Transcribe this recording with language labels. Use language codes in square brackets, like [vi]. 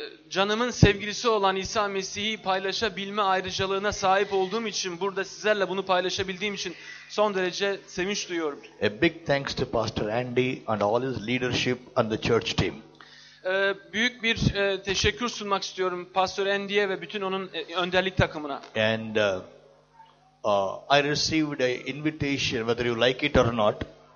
[tr] Canımın sevgilisi olan İsa Mesih'i paylaşabilme ayrıcalığına sahip olduğum için, burada sizlerle bunu paylaşabildiğim için son derece sevinç duyuyorum. [en] A big thanks to Pastor Andy and all his leadership and the church team. [tr] Büyük bir teşekkür sunmak istiyorum Pastor Andy'ye ve bütün onun önderlik takımına. [en] And I received an invitation, whether you like it or not.